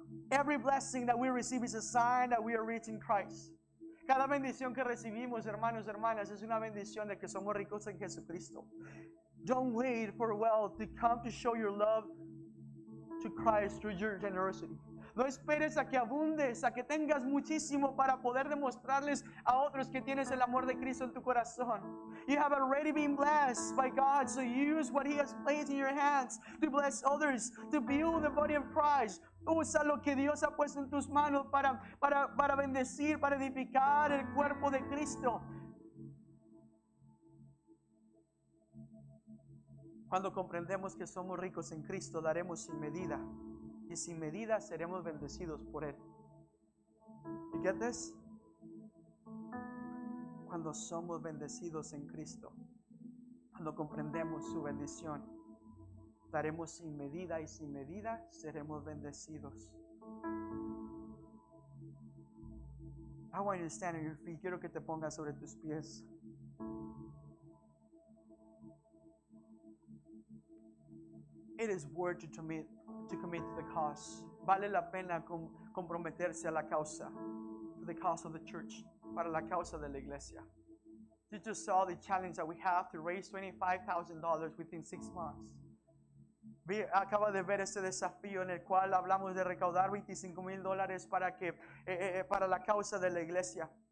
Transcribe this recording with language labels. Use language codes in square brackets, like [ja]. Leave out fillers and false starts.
[en] Every blessing that we receive is a sign that we are rich in Christ. [es] Cada bendición que recibimos, hermanos, hermanas, es una bendición de que somos ricos en Jesucristo. [en] Don't wait for wealth to come to show your love to Christ through your generosity. [es] No esperes a que abundes, a que tengas muchísimo para poder demostrarles a otros que tienes el amor de Cristo en tu corazón. [en] You have already been blessed by God, so use what He has placed in your hands to bless others, to build the body of Christ. [es] Usa lo que Dios ha puesto en tus manos para bendecir, para edificar el cuerpo de Cristo. Cuando comprendemos que somos ricos en Cristo, daremos sin medida. Y sin medida seremos bendecidos por Él. ¿Y qué es? Cuando somos bendecidos en Cristo, cuando comprendemos su bendición, daremos sin medida y sin medida seremos bendecidos. [en] I want you to stand on your feet. [es] Quiero que te pongas sobre tus pies. [en] It is worth to commit to the cause. [es] Vale la pena comprometerse a la causa. [en] To the cause of the church. [es] Para la causa de la iglesia. [en] You just saw the challenge that we have to raise $25,000 within 6 months. [es] Acaba de ver ese desafío en el cual hablamos de recaudar $25,000 para la causa de la iglesia.